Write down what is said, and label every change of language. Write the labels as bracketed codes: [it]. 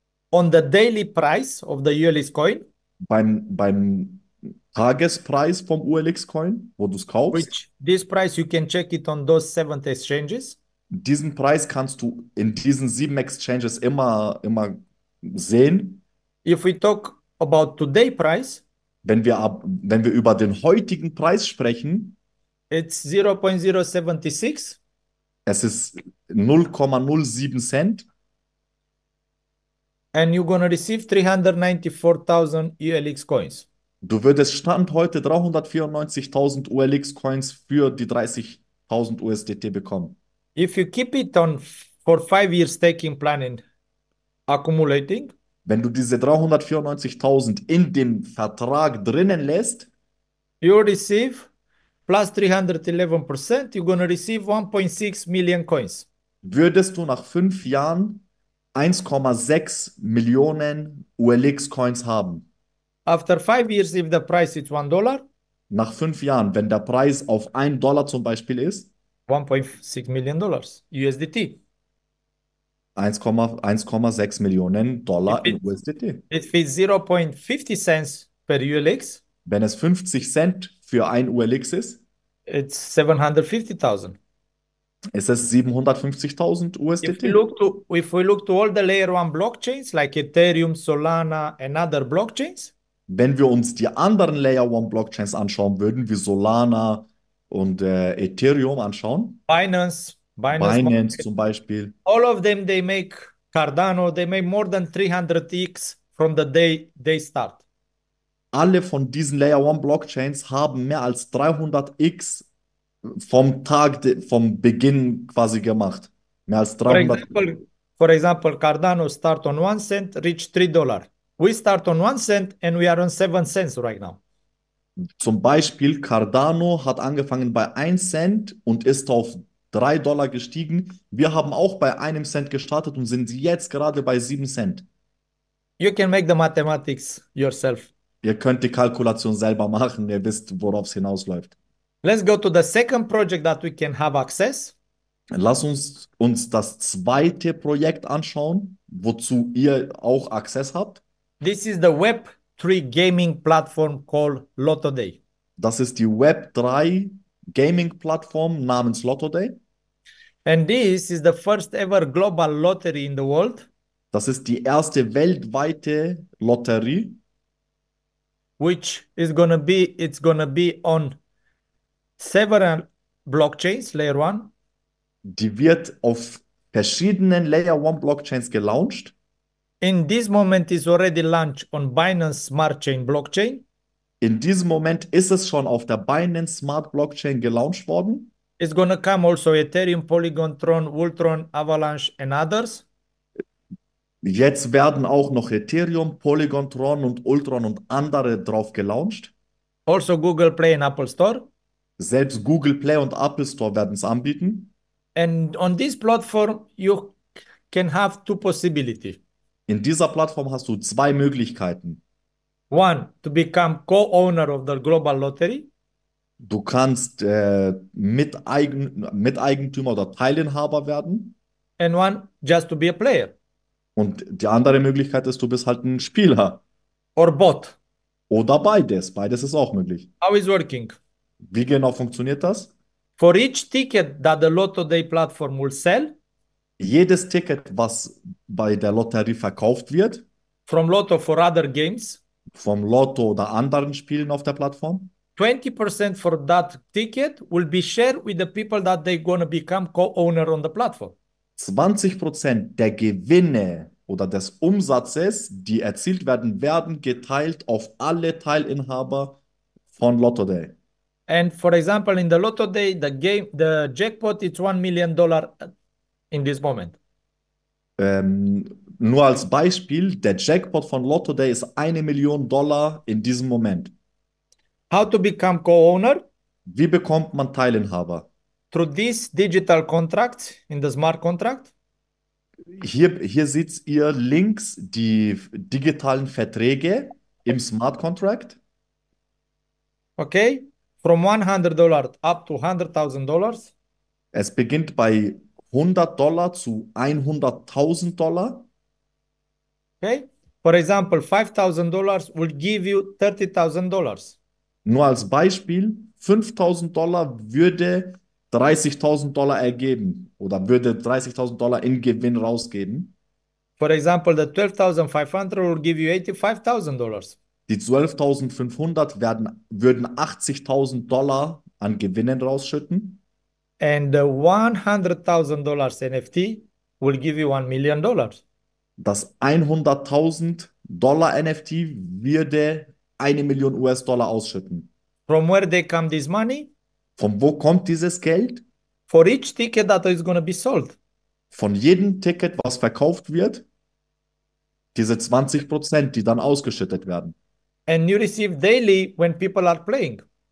[en] on the daily price of the ULX coin. [de] Beim Tagespreis vom ULX coin, wo du es kaufst. [en] Which this price you can check it on those 7 exchanges. [de] Diesen Preis kannst du in diesen 7 Exchanges immer sehen. [en] If we talk about today price, [de] wenn wir über den heutigen Preis sprechen, [en] it's 0.076. [de] Es ist 0,07 Cent. [en] And you're going to receive 394,000 ULX coins. [de] Du würdest Stand heute 394.000 ULX coins für die 30.000 USDT bekommen. [en] If you keep it on for 5 years staking plan and accumulating, [de] wenn du diese 394.000 in dem Vertrag drinnen lässt, [en] you receive plus 311%, you're going to receive 1.6 million coins. [de] Würdest du nach 5 Jahren 1,6 Millionen ULX Coins haben? [en] After 5 years, if the price is $1. [de] Nach 5 Jahren, wenn der Preis auf $1 zum Beispiel ist? [en] $1.6 million USDT. [de] 1,6 Millionen Dollar in USDT. [en] If it's 0.50 cents per ULX. [de] Wenn es 50 Cent für ein ULX ist. [en] It's 750,000. [de] Es ist 750.000 USDT. [en] If we look to all the layer 1 blockchains, like Ethereum, Solana and other blockchains. [de] Wenn wir uns die anderen layer 1 blockchains anschauen würden, wie Solana und Ethereum anschauen. Binance zum Beispiel. [en] All of them, they make Cardano, they make more than 300x from the day they start. [de] Alle von diesen Layer 1 Blockchains haben mehr als 300x vom Beginn quasi gemacht. Mehr als 300. [en] For example, Cardano start on 1 cent, reach $3. We start on 1 cent and we are on 7 cents right now. [de] Zum Beispiel Cardano hat angefangen bei 1 Cent und ist auf $3 gestiegen. Wir haben auch bei 1 Cent gestartet und sind jetzt gerade bei 7 Cent. [en] You can make the mathematics yourself. [de] Ihr könnt die Kalkulation selber machen, ihr wisst, worauf es hinausläuft. [en] Let's go to the second project that we can have access. [de] Lass uns das zweite Projekt anschauen, wozu ihr auch Access habt. [en] This is the Web3 Gaming Platform called Lotoday. [de] Das ist die Web3 Gaming Plattform namens Lotoday. [en] And this is the first ever global lottery in the world. [de] Das ist die erste weltweite Lotterie. [en] Which is gonna be, it's gonna be on several blockchains, layer 1. [de] Die wird auf verschiedenen layer 1 Blockchains gelauncht. [en] In this moment is already launched on Binance Smart Chain Blockchain. [de] In diesem Moment ist es schon auf der Binance Smart Blockchain gelauncht worden. [en] It's gonna come also Ethereum, Polygon, Tron, Voltron, Avalanche and others. [de] Jetzt werden auch noch Ethereum, Polygon, Tron und Ultron und andere drauf gelauncht. Also Google Play und Apple Store. Selbst Google Play und Apple Store werden es anbieten. [en] And on this platform you can have 2 possibilities. [de] In dieser Plattform hast du 2 Möglichkeiten. [en] One, to become co-owner of the global lottery. [de] Du kannst Miteigentümer oder Teilinhaber werden. [en] And one, just to be a player. [de] Und die andere Möglichkeit ist, du bist halt ein Spieler. [en] Or bot. [de] Oder beides. Beides ist auch möglich. [en] How is working? [de] Wie genau funktioniert das? [en] For each ticket that the Lotoday platform will sell. [de] Jedes Ticket, was bei der Lotterie verkauft wird. [en] from Lotto for other games. [de] Vom Lotto oder anderen Spielen auf der Plattform. [en] 20% for that ticket will be shared with the people that they're going to become co-owner on the platform. [de] 20% der Gewinne oder des Umsatzes, die erzielt werden, werden geteilt auf alle Teilinhaber von Lotto Day. [en] And for example, in the Lotto Day, the game, the jackpot is $1 million in this moment. [de] Nur als Beispiel, der Jackpot von Lotto Day ist $1 Million in diesem Moment. [en] How to become co-owner? [de] Wie bekommt man Teilinhaber? [en] Through this digital contract, in the smart contract. [de] Hier seht ihr links die digitalen Verträge im Smart Contract. [en] Okay, from $100 up to $100,000. [de] Es beginnt bei $100 zu $100,000. [en] Okay, for example, $5,000 will give you $30,000. [de] Nur als Beispiel, $5,000 würde $30,000 ergeben oder würde $30,000 in Gewinn rausgeben. [en] For example, the 12,500 will give you $85,000. [de] Die 12.500 würden $80,000 an Gewinnen rausschütten. [en] And the $100,000 NFT will give you $1 million. [de] Das $100,000 NFT würde $1 Million ausschütten. [en] From where they come this money? [de] Von wo kommt dieses Geld? [en] For each ticket that is going to be sold. [de] Von jedem Ticket, was verkauft wird, diese 20%, die dann ausgeschüttet werden. [en] And you receive daily when people are playing.